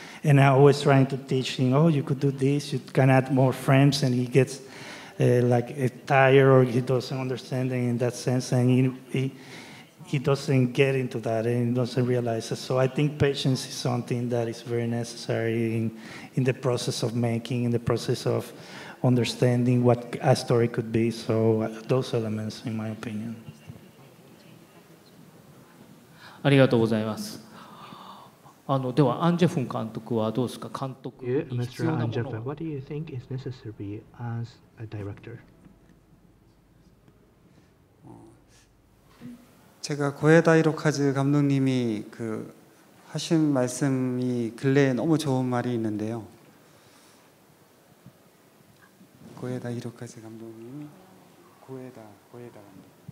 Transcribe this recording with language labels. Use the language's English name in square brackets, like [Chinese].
[English] And I always trying to teach him, oh, you could do this, you can add more frames, and he gets tired, or he doesn't understand in that sense, and he doesn't get into that and doesn't realize it. So I think patience is something that is very necessary in the process of making, in the process of understanding what a story could be. So those elements, in my opinion. [Japanese] ありがとうございます。では、アンジェフン監督はどうですか？監督に必要なものは？ [English] Ahn Jae-huun, what do you think is necessary as a director? [Korean] 제가 고에다 히로카즈 감독님이 그 하신 말씀이 근래에 너무 좋은 말이 있는데요. 고에다 히로카즈 감독님이 고에다 감독.